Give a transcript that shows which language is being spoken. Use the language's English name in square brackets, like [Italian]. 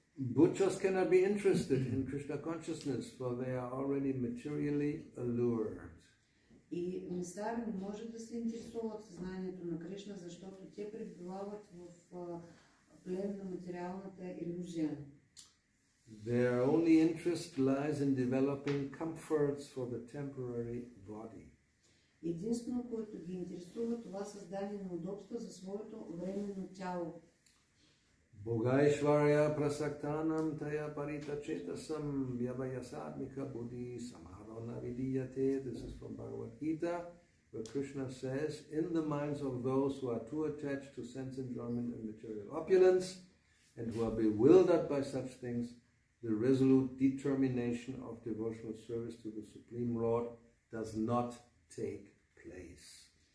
[English] Butchers cannot be interested in Krishna consciousness, for they are already materially allured. [Bulgarian] И месари не може да се интересуват съзнанието на Кришна, защото те пребивават в на материалната иллюзия. [English] Their only interest lies in developing comforts for the temporary body. [Bulgarian] Единствено, което ги интересува, това създание на удобства за своето временно тяло. [Sanskrit] Богайшварья прасактанам тая парита четасам вьявайасадмика буди самарона видияте. [English] This is from Bhagavad Gita, where Krishna says, in the minds of those who are too attached to sense enjoyment and material opulence, and who are bewildered by such things, the resolute determination of devotional service to the Supreme Lord does not take place.